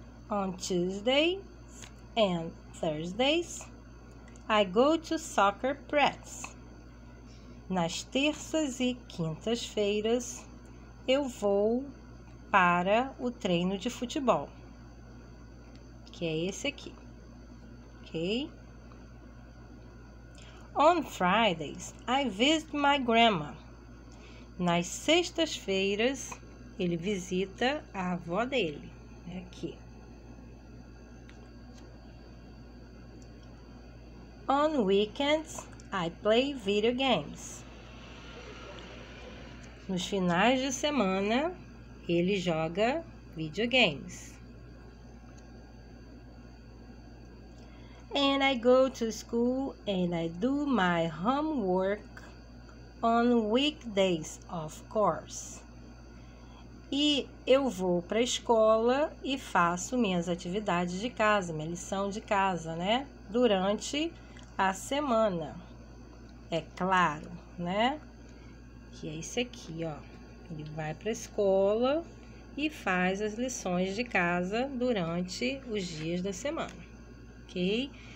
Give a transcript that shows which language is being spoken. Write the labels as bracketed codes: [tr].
[en] On Tuesdays and Thursdays, I go to soccer practice. [pt] Nas terças e quintas-feiras, eu vou para o treino de futebol, que é esse aqui. Okay. [en] On Fridays, I visit my grandma. [pt] Nas sextas-feiras, ele visita a avó dele. Aqui. [en] On weekends, I play video games. [pt] Nos finais de semana, ele joga videogames. [en] And I go to school and I do my homework on weekdays, of course. [pt] E eu vou para a escola e faço minhas atividades de casa, minha lição de casa, né? Durante a semana. É claro, né? Que é esse aqui, ó. Ele vai para a escola e faz as lições de casa durante os dias da semana, ok?